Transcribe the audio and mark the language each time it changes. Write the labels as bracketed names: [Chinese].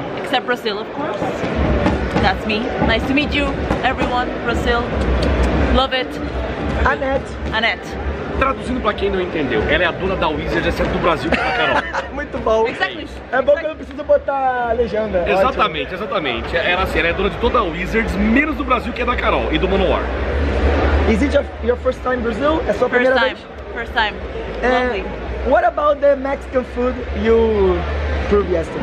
[English] Except Brazil, of course. That's me. Nice to meet you, everyone. Brazil. Love it. Annette. [Portuguese] Traduzindo pra quem não entendeu, ela é a dona da Wizard, exceto do Brasil, pra Carol. Muito bom. [English] Exactly. [Portuguese] É bom que eu não preciso botar legenda. Exatamente, ótimo. Exatamente. Ela, assim, ela é dona de toda a Wizards, menos do Brasil, que é da Carol e do Manowar. [English] Is it your first time in Brazil? [Portuguese] É sua primeira vez? [English] First time. Lovely. What about the Mexican food you proved yesterday?